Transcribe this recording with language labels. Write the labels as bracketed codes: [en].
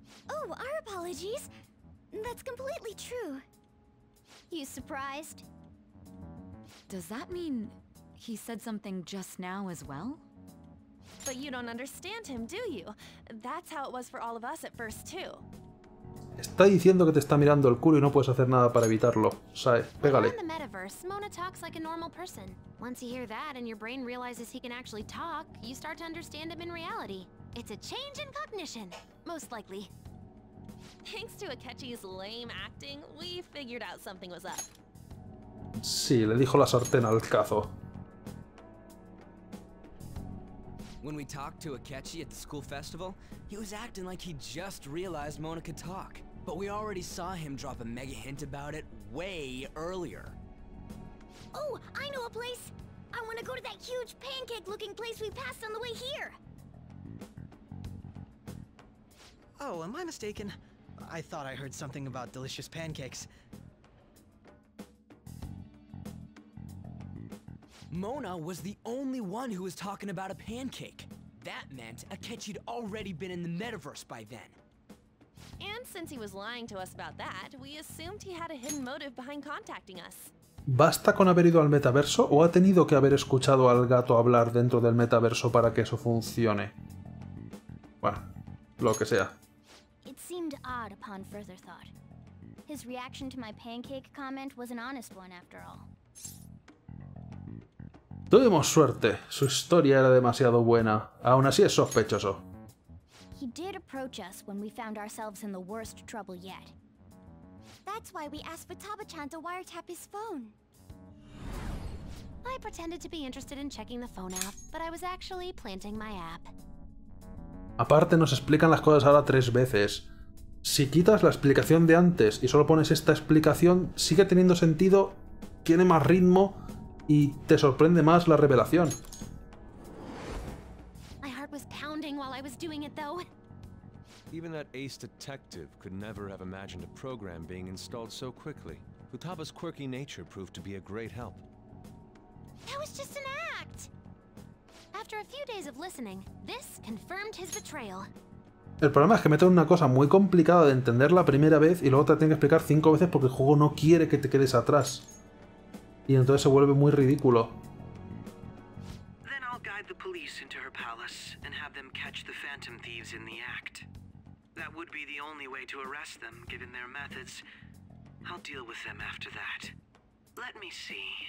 [en] Oh, our apologies. That's completely true. You surprised? Does that mean he said something just now as well? But you don't understand him, do you? That's how it was for all of us at first, too. [es] Está diciendo que te está mirando el culo y no puedes hacer nada para evitarlo. Sae, pégale. [en] In the metaverse, Mona talks like a normal person. Once you hear that and your brain realizes he can actually talk, you start to understand him in reality. It's a change in cognition, most likely. Thanks to Akechi's lame acting, we figured out something was up. [es] Sí, le dijo la sartén al cazo. [en] When we talked to Akechi at the school festival, he was acting like he just realized Mona could talk. But we already saw him drop a mega hint about it way earlier. Oh, I know a place! I want to go to that huge pancake-looking place we passed on the way here! Oh, am I mistaken? I thought I heard something about delicious pancakes. Mona was the only one who was talking about a pancake. That meant Akechi'd already been in the metaverse by then. And since he was lying to us about that, we assumed he had a hidden motive behind contacting us. [es] ¿Basta con haber ido al metaverso o ha tenido que haber escuchado al gato hablar dentro del metaverso para que eso funcione? Bueno, lo que sea. [en] It seemed odd upon further thought. His reaction to my pancake comment was an honest one, after all. [es] Tuvimos suerte. Su historia era demasiado buena. Aún así es sospechoso. [en] He did approach us when we found ourselves in the worst trouble yet. That's why we asked Futaba-chan to wiretap his phone. I pretended to be interested in checking the phone app, but I was actually planting my app. [es] Aparte, nos explican las cosas ahora tres veces. Si quitas la explicación de antes y solo pones esta explicación, sigue teniendo sentido, tiene más ritmo y te sorprende más la revelación. [en] My heart was pounding while I was doing it, though. Even that ace detective could never have imagined a program being installed so quickly. Futaba's quirky nature proved to be a great help. That was just an act. After a few days of listening, this confirmed his betrayal. [es] El problema es que meten una cosa muy complicada de entender la primera vez y luego te tienen que explicar cinco veces porque el juego no quiere que te quedes atrás. Y entonces se vuelve muy ridículo. [en] Then I'll guide the police into her palace and have them catch the phantom thieves in the act. That would be the only way to arrest them, given their methods. I'll deal with them after that. Let me see.